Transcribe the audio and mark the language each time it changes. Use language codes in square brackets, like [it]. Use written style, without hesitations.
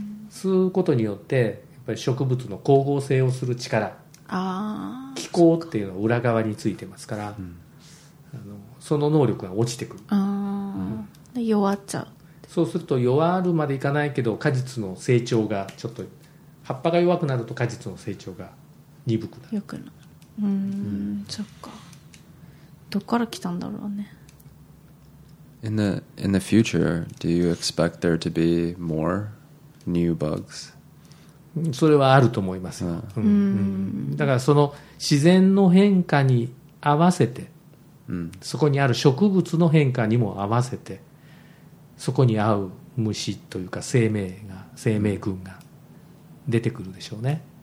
[ja] 吸うことによってやっぱり植物の光合成をする力、気候っていうのは裏側についてますから、その能力が落ちてくる。弱っちゃう。そうすると弱るまでいかないけど、果実の成長がちょっと、葉っぱが弱くなると果実の成長が鈍くなる。よくなる。そっか。どっから来たんだろうね。 [en] In the future, do you expect there to be more new bugs? [ja] それはあると思いますよ。だからその自然の変化に合わせて、そこにある植物の変化にも合わせて、そこに合う虫というか生命群が出てくるでしょうね。